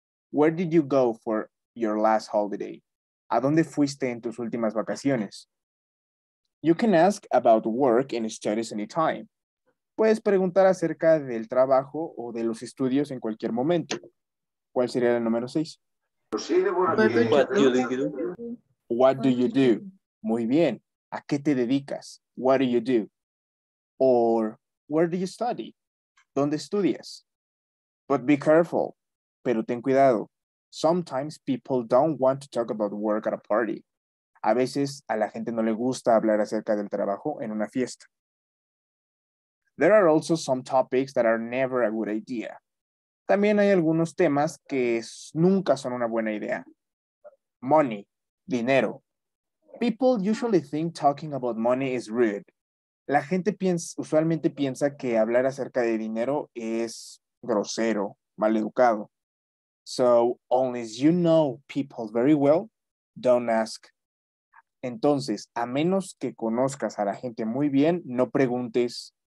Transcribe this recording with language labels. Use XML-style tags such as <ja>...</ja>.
<en>Where did you go for your last holiday?</en> <es>¿A dónde fuiste en tus últimas vacaciones?</es> <en>You can ask about work and studies anytime.</en> <es>Puedes preguntar acerca del trabajo o de los estudios en cualquier momento. ¿Cuál sería el número 6?</es> <en>What do you do?</en> <es>Muy bien. ¿A qué te dedicas?</es> <en>What do you do? Or, where do you study?</en> <es>¿Dónde estudias?</es> <en>But be careful.</en> <es>Pero ten cuidado.</es> <en>Sometimes people don't want to talk about work at a party.</en> <es>A veces a la gente no le gusta hablar acerca del trabajo en una fiesta.</es> <en>There are also some topics that are never a good idea.</en> <es>También hay algunos temas que nunca son una buena idea.</es> <en>Money, dinero. People usually think talking about money is rude.</en> <es>La gente usualmente piensa que hablar acerca de dinero es grosero, maleducado.</es> <en>So, unless you know people very well, don't ask.</en> <es>Entonces, a menos que conozcas a la gente muy bien, no preguntes.</es>